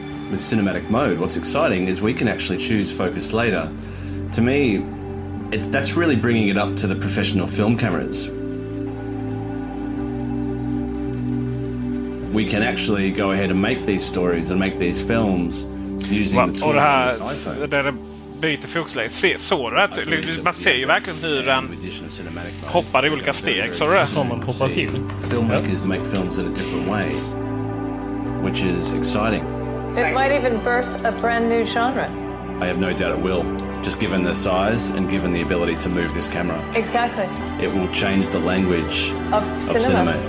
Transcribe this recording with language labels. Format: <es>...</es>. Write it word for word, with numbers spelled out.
<en>With cinematic mode, what's exciting is we can actually choose focus later. To me, it's, that's really bringing it up to the professional film cameras. We can actually go ahead and make these stories and make these films using the tools on this iPhone.</en> <sv>Byter fokusläge. Se, såg du att man ser ju verkligen hur den hoppar i olika steg, såg du? Som man hoppar till.</sv> <en>Filmmakers make films in a different way, which is exciting. It might even birth a brand new genre. I have no doubt it will. Just given the size and given the ability to move this camera. Exactly. It will change the language of cinema, of cinema</en>